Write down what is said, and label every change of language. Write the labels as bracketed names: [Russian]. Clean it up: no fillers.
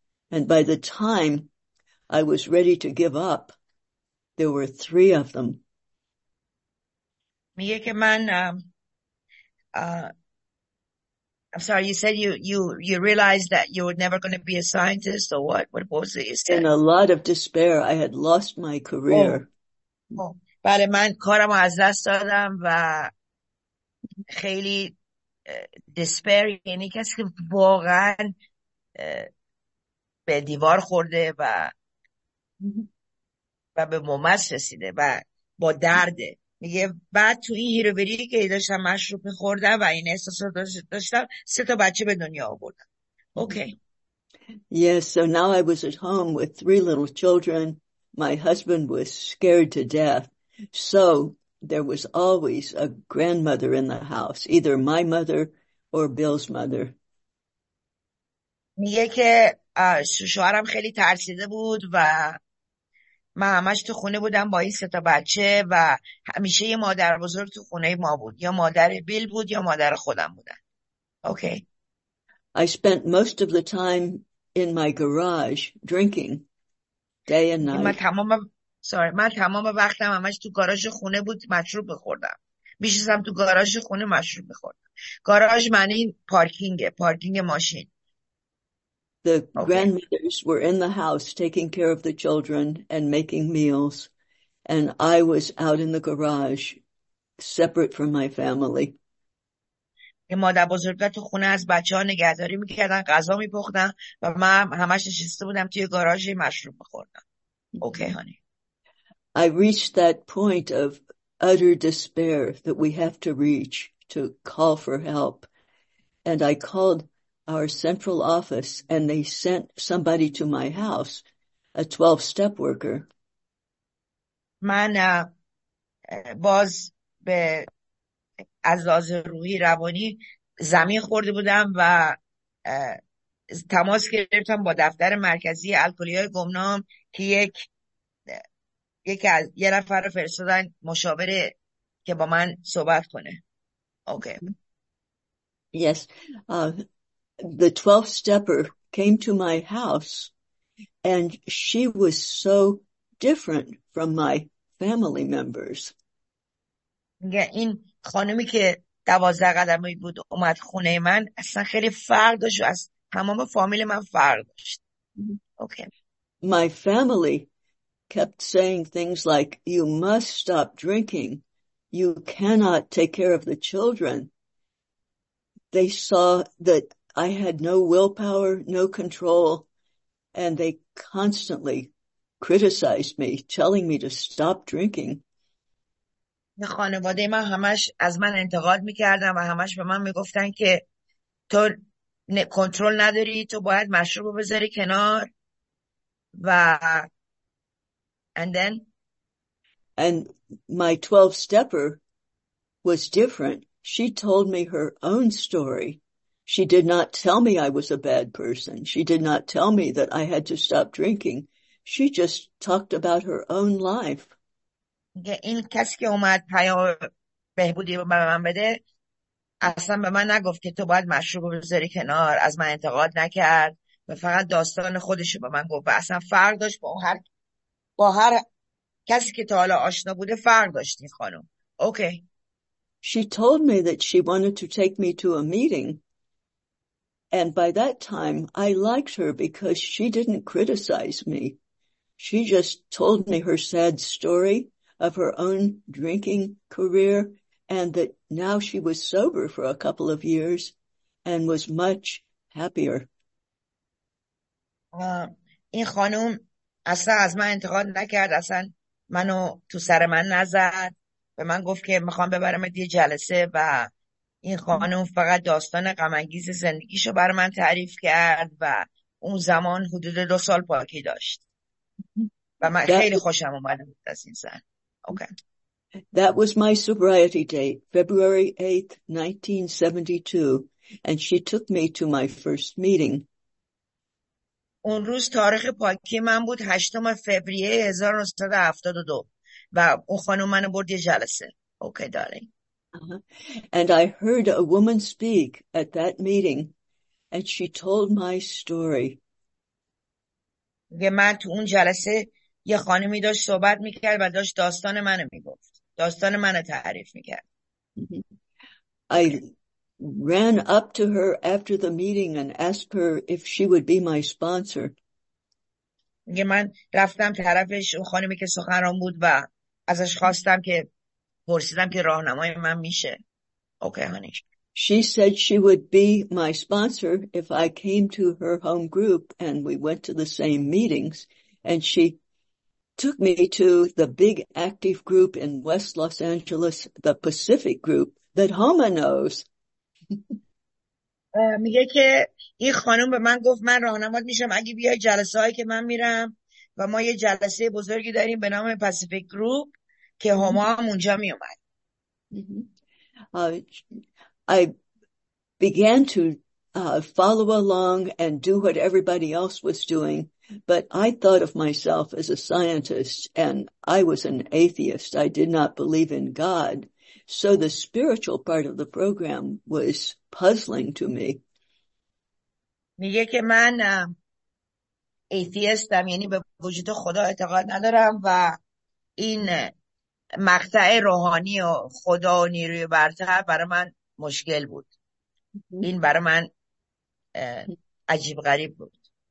[English] And by the time I was ready to give up, there were 3 of them. [Persian] میگه که من [English] I'm sorry, you said you realized that you were never going to be a scientist or what was it you said? In a lot of despair, I had lost my career. [Persian] بله من کارم از دست دادم و خیلی despair یعنی کسی که واقعا به دیوار خورده و به ممس رسیده و با درده. میگه بعد تو این هیروبری که داشتم مشروب میخوردم و این احساس رو داشتم 3 تا بچه به دنیا آوردم. [English] Okay. Yes, so now I was at home with 3 little children. My husband was scared to death. So there was always a grandmother in the house, either my mother or Bill's mother. [Persian] میگه که شوهرم خیلی ترسیده بود و من همش تو خونه بودم با این 3 تا بچه و همیشه یه مادر بزرگ تو خونه ما بود، یا مادر بیل بود یا مادر خودم بودن. [English] Okay. I spent most of the time in my garage drinking day and night. [Persian] من تمام وقتم همش تو گاراژ خونه بود، مشروب می‌خوردم. می‌شستم تو گاراژ خونه مشروب می‌خوردم. گاراژ معنی پارکینگ ماشین. [English] The grandmothers were in the house taking care of the children and making meals, and I was out in the garage, separate from my family. [Persian] مادر بزرگ تو خونه از بچه ها نگهداری میکردن، غذا میپختن و من همش نشسته بودم توی گاراژ مشروب میخوردم. [English] Okay honey. I reached that point of utter despair that we have to reach to call for help, and I called our central office, and they sent somebody to my house, a 12-step worker. [Persian] من باز به از لحاظ روحی روانی زمین خورده بودم و تماس گرفتم با دفتر مرکزی الکلی‌های گمنام که یک از یه نفر رو فرستادن مشاوره که با من صحبت کنه. [English] Okay. Yes. The 12-stepper came to my house, and she was so different from my family members. [Persian] این خانمی که 12 قدمی بود اومد خونه من اصلا خیلی فرق داشت، از تمام فامیل من فرق داشت. [English] Okay. My family kept saying things like, "You must stop drinking. You cannot take care of the children." They saw that I had no willpower, no control, and they constantly criticized me, telling me to stop drinking. [Persian] خانواده من همش از من انتقاد میکردن و همش به من میگفتن که تو کنترل نداری، تو باید مشروب رو بذاری کنار و [English] and then And my 12-stepper was different. She told me her own story. She did not tell me I was a bad person. She did not tell me that I had to stop drinking. She just talked about her own life. [Persian] این کسی که اومد پیام بهبودی به من بده اصلا به من نگفت که تو باید مشروب بذاری کنار، از من انتقاد نکرد و فقط داستان خودش به من گفت و اصلا فرق داشت با هر کسی که تا حالا آشنا بوده، فرق داشت این خانم. [English] Okay. She told me that she wanted to take me to a meeting. And by that time, I liked her because she didn't criticize me. She just told me her sad story of her own drinking career and that now she was sober for a couple of years and was much happier. [Persian] این خانم اصلا از من انتقاد نکرد، اصلا منو تو سر من نزد، به من گفت که میخوام ببرم یه جلسه و این خانم فقط داستان غمانگیز زندگیشو بر من تعریف کرد و اون زمان حدود 2 سال پاکی داشت و من خیلی خوشم اومده بود از این زن. [English] Okay. That was my sobriety date, February 8th, 1972, and she took me to my first meeting. [Persian] اون روز تاریخ پاکی من بود 8 فوریه 1972 و اون خانم منو برد یه جلسه. [English] Okay داری. And I heard a woman speak at that meeting, and she told my story. [Persian] یه من تو اون جلسه یه خانمی داشت صحبت میکرد و داشت داستان منو میگفت، داستان منو تعریف میکرد. [English] I ran up to her after the meeting and asked her if she would be my sponsor. [Persian] میگه من رفتم طرفش، اون خانمی که سخنران بود، و ازش خواستم که پرسیدم که راهنمای من میشه. [English] Okay honey. She said she would be my sponsor if I came to her home group and we went to the same meetings. And she took me to the big active group in West Los Angeles, the Pacific group that Homa knows. [Persian] میگه که این خانم به من گفت من راهنمات میشم اگه بیای جلسه هایی که من میرم و ما یه جلسه بزرگی داریم به نام پاسیفیک گروپ که هما هم اونجا میومد. [English] I began to follow along and do what everybody else was doing, but I thought of myself as a scientist and I was an atheist. I did not believe in God. So the spiritual part of the program was puzzling to me. [Persian] میگه که من ایتیستم، یعنی به وجود خدا اعتقاد ندارم و این مقطع روحانی و خدا و نیروی برتر برای من مشکل بود. این برای من عجیب غریب بود.